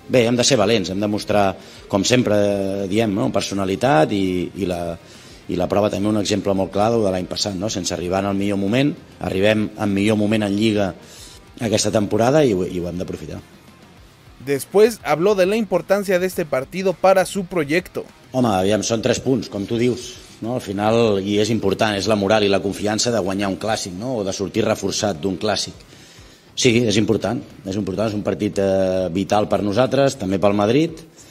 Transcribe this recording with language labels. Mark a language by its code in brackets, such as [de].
[ca] Bé, hem de ser valents, hem de mostrar, com sempre diem, no? Personalitat i la prova també un exemple molt clar de l'any passat, no? Sense arribar en el millor moment, arribem en millor moment en Lliga aquesta temporada i ho hem d'aprofitar. [es] Después habló de la importància de este partido para su proyecto. [ca] Home, aviam, són tres punts, com tu dius, no? Al final, i és important, és la moral i la confiança de guanyar un clàssic, no? O de sortir reforçat d'un clàssic. Sí, és important, és un partit vital per nosaltres, també pel Madrid.